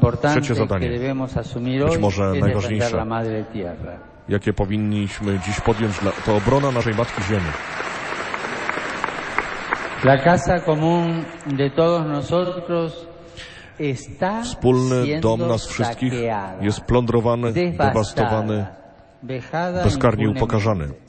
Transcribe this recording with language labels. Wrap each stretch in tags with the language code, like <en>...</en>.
<pl>Trzecie zadanie, być może najważniejsze, jakie powinniśmy dziś podjąć, to obrona naszej Matki Ziemi.</pl> <es>La casa común de todos nosotros.</es> <pl>Wspólny dom nas wszystkich jest plądrowany, dewastowany, bezkarnie upokarzany.</pl>